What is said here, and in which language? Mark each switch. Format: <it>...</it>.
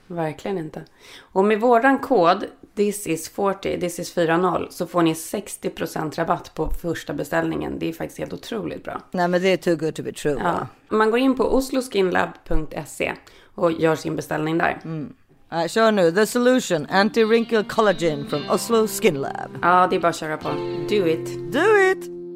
<sv>Verkligen inte. Och med våran kod THIS IS 40 så får ni 60% rabatt på första beställningen. Det är faktiskt helt otroligt bra. Nej, men det är</sv> <en>too good to be true.</en> <sv>Ja. Man går in på osloskinlab.se och gör sin beställning där. Mm. Kör nu.</sv> <en>The solution. Anti-wrinkle collagen from Oslo Skin Lab.</en> <sv>Ja, det är bara att köra på.</sv> <en>Do it. Do it!</en>